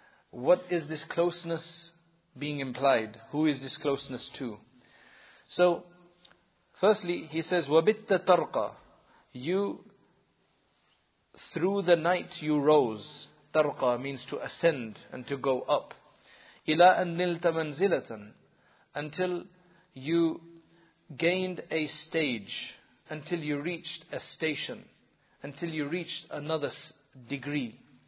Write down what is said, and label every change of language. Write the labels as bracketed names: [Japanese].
[English] What is this closeness being implied? Who is this closeness to? So, firstly, he says, [Arabic] وَبِتَّ تَرْقَى. [English] You, through the night you rose. تَرْقَى means to ascend and to go up. [Arabic] إِلَىٰ أَنْ نِلْتَ مَنْزِلَةً. [English] Until you gained a stage, until you reached a station, until you reached another degree.